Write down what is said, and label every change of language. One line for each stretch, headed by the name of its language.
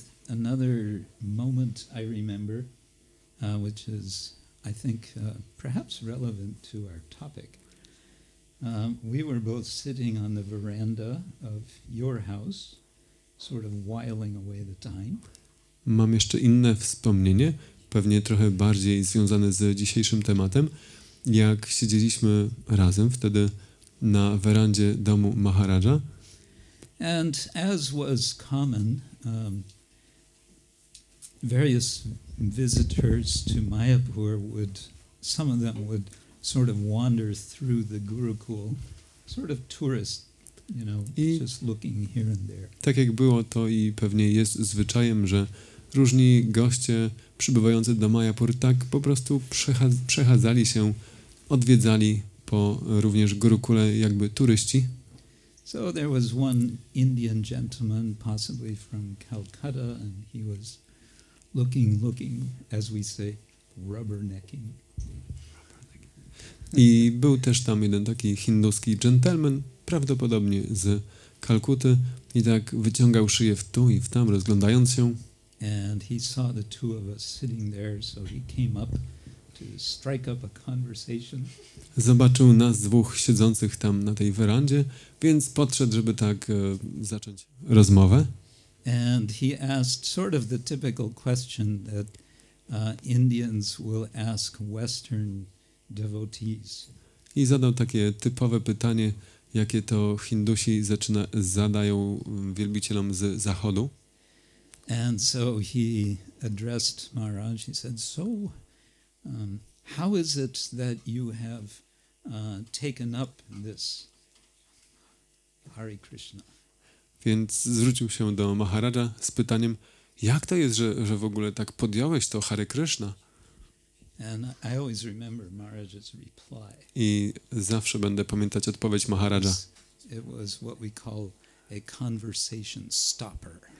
English: Another moment I remember, which is, I think, perhaps relevant to our topic. We were both sitting on the veranda of your house, sort of whiling away the time.
Polish: Mam jeszcze inne wspomnienie, pewnie trochę bardziej związane z dzisiejszym tematem, jak siedzieliśmy razem wtedy na werandzie domu Maharaja.
English: And as was common, various visitors to Mayapur would, some of them would sort of wander through the Gurukul, sort of tourists, you know, I just looking here and there.
Polish: Tak jak było to i pewnie jest zwyczajem, że różni goście przybywający do Mayapur tak po prostu przechadzali się, odwiedzali po również Gurukule jakby turyści.
English: So there was one Indian gentleman, possibly from Calcutta, and he was looking, as we say, rubbernecking.
Polish: I był też tam jeden taki hinduski gentleman, prawdopodobnie z Kalkuty, i tak wyciągał szyję w tu i w tam, rozglądając się.
English: And he saw the two of us sitting there, so he came up to strike up a conversation.
Polish: Zobaczył nas dwóch siedzących tam na tej werandzie, więc podszedł, żeby tak zacząć rozmowę.
English: And he asked sort of the typical question that Indians will ask Western devotees.
Polish: I zadał takie typowe pytanie, jakie to Hindusi zadają wielbicielom z Zachodu.
English: And so he addressed Maharaj. He said, "So, how is it that you have taken up this Hare Krishna?"
Polish: Więc zwrócił się do Maharaja z pytaniem, jak to jest, że w ogóle tak podjąłeś to Hare Krishna?
English: And I always remember Maharaja's reply.
Polish: I zawsze będę pamiętać odpowiedź Maharaja.
English: It was what we call a conversation stopper.